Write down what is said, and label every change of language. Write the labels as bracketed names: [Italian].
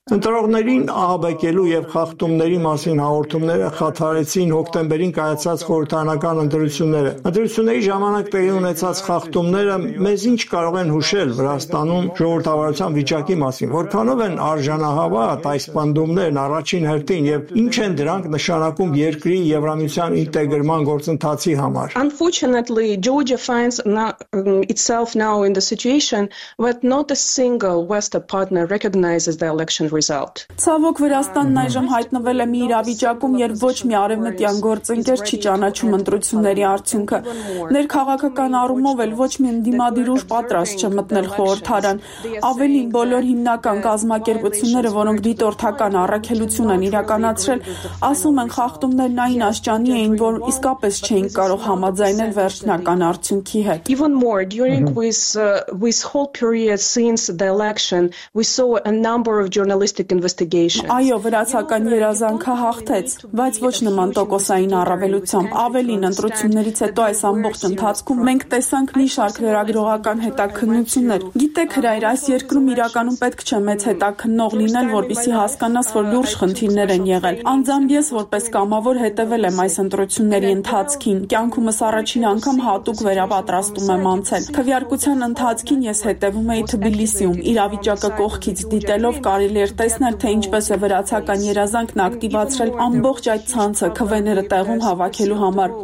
[Armenian] Ընտրողներին ահաբեկելու և խախտումների մասին հաղորդումները խաթարեցին հոկտեմբերին կայացած խորհրդանական ընտրությունները։ Ընտրությունների ժամանակ տեղի ունեցած խախտումները մեզ ինչ կարող են հուշել Վրաստանում ժողովրդավարության վիճակի մասին, որքանով են արժանահավատ այս պնդումներն առաջին հերթին և ինչ են դրանք նշանակում երկրի Եվրամիության ինտեգրման գործընթացի համար։ [English] Unfortunately, Georgia finds itself now in the situation that not a single Western partner recognizes the election. [Armenian] Ցավոք, Վրաստանն այժմ հայտնվել է մի իրավիճակում, երբ ոչ մի արևմտյան գործընկեր չի ճանաչում ընտրությունների արդյունքը։ Ներքաղաքական առումով էլ ոչ մի ընդդիմադիրուժ պատրաստ չէ մտնել խորհրդարան։ Ավելին, բոլոր հիմնական կազմակերպությունները, որոնք դիտորդական առաքելություն են իրականացրել, ասում են, խախտումներն այն աստիճանի էին, որ իսկապես չէին կարող համաձայնել վերջնական արդյունքի հետ։ [English] Even more, during this whole period since the election, we saw a number of journalistic investigation. [Armenian] Այո, վրացական երազանքը հաղթեց, բայց ոչ նման տոկոսային առավելությամբ։ Ավելին, ընտրություններից հետո այս ամբողջ ընթացքում մենք տեսանք մի շարք լրագրողական հետաքննություններ։ Գիտեք, հրայր, այս երկրում իրականում պետք չէ մեծ հետաքննող լինել, որպեսզի հասկանաս, որ լուրջ խնդիրներ են եղել։ Անձամբ ես որպես կամավոր հետևել եմ այս ընտրությունների ընթացքին, կյանքումս առաջին անգամ հատուկ վերապատրաստում եմ անցել։ Քվեարկության ընթացքին ես հետևում էի Թբիլիսիում, իրավիճակը կողքից դիտելով կարելի էր տեսնել, թե ինչպես է վրացական երազանքն ակտիվացրել ամբողջ այդ ցանցը քվեները տեղում հավաքելու համար։